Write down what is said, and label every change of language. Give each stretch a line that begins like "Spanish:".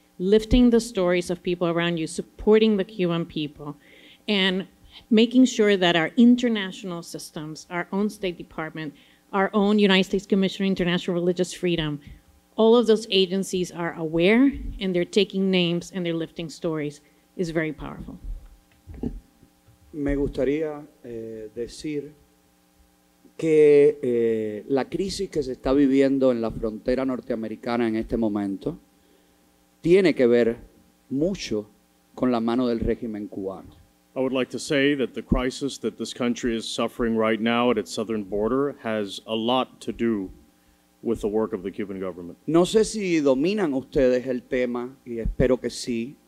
English: Lifting the stories of people around you, supporting the Cuban people, and making sure that our international systems, our own State Department, our own United States Commission on International Religious Freedom, all of those agencies are aware, and they're taking names and they're lifting stories, is very powerful.
Spanish: Me gustaría decir que la crisis que se está viviendo en la frontera norteamericana en este momento tiene que ver mucho con la mano del régimen cubano.
English: I would like to say that the crisis that this country is suffering right now at its southern border has a lot to do with the work of the Cuban government.
Spanish: No sé si dominan ustedes el tema, y espero que sí.